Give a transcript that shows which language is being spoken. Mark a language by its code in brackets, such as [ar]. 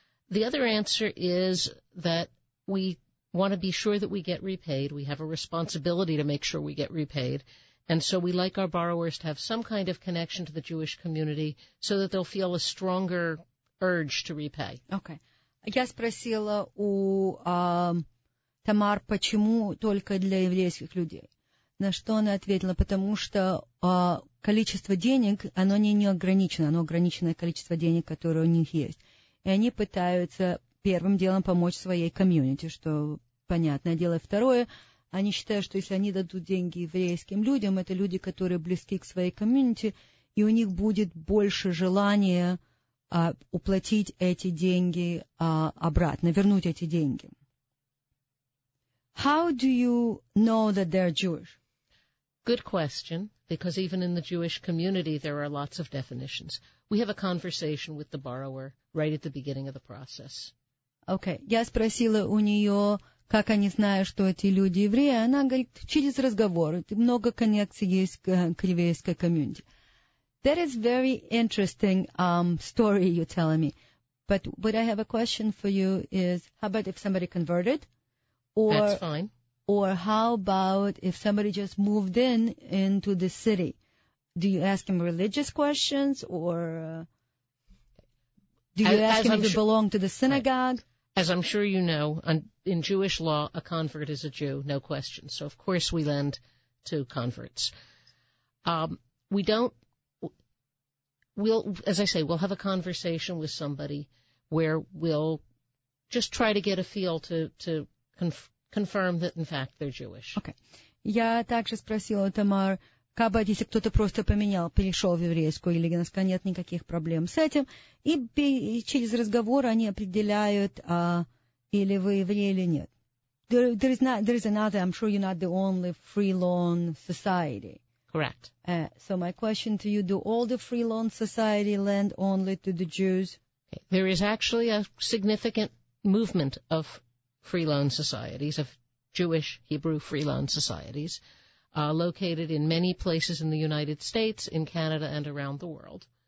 [en] The other answer is that we want to be sure that we get repaid. We have a responsibility to make sure we get repaid, and so we like our borrowers to have some kind of connection to the Jewish community so that they'll feel a stronger urge to repay. Okay. [ru] Я спросила у Тамар, почему только для еврейских людей? На что она ответила, потому что количество денег, оно не ограничено, оно ограниченное количество денег, которое у них есть. И они пытаются первым делом помочь своей комьюнити, что понятное дело. Второе, они считают, что если они дадут деньги еврейским людям, это люди, которые близки к своей комьюнити, и у них будет больше желания уплатить эти деньги обратно, вернуть эти деньги. [en] How do you know that they're Jewish? Good question, because even in the Jewish community, there are lots of definitions. We have a conversation with the borrower right at the beginning of the process. Okay. [ru] Я спросила у нее, как они знают, что эти люди евреи. Она говорит, через разговор. Много коннекций есть к еврейской комьюнити. [en] That is very interesting story you're telling me. But what I have a question for you is, how about if somebody converted? Or... That's fine. Or how about if somebody just moved into the city? Do you ask him religious questions or do you ask him to belong to the synagogue? Right. As I'm sure you know, in Jewish law, a convert is a Jew, no question. So, of course, we lend to converts. We don't we'll have a conversation with somebody where we'll just try to get a feel to confirm that, in fact, they're Jewish. Okay. [ru] Я также спросила Тамар, как бы, если кто-то просто поменял, перешел в еврейскую религию, нет никаких проблем с этим. И через разговор они определяют, или вы еврей или нет. [en] There is another, I'm sure you're not the only free loan society. Correct. So my question to you, do all the free loan society lend only to the Jews? There is actually a significant movement of free loan societies, of Jewish Hebrew free loan societies, located in many places in the United States, in Canada, and around the world.